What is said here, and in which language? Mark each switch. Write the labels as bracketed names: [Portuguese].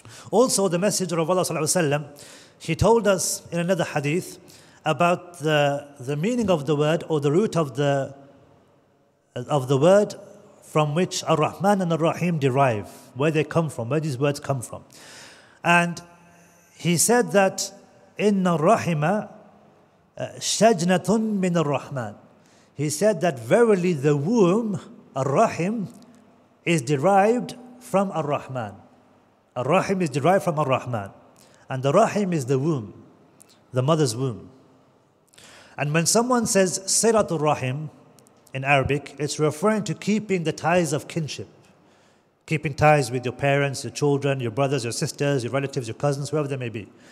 [English] Also, the Messenger of Allah sallallahu alayhi wasalam, he told us in another hadith about the meaning of the word, or the root of the word from which Ar-Rahman and Ar-Rahim derive, where they come from, where these words come from. And he said that [Arabic] إِنَّ الرَّحِمَ شَجْنَةٌ مِّنَ الرَّحْمَنِ. [English] He said that verily the womb, Ar-Rahim, is derived from Ar-Rahman. Ar-Rahim is derived from Ar-Rahman. And the Rahim is the womb, the mother's womb. And when someone says Siratul Rahim in Arabic, it's referring to keeping the ties of kinship, keeping ties with your parents, your children, your brothers, your sisters, your relatives, your cousins, whoever they may be.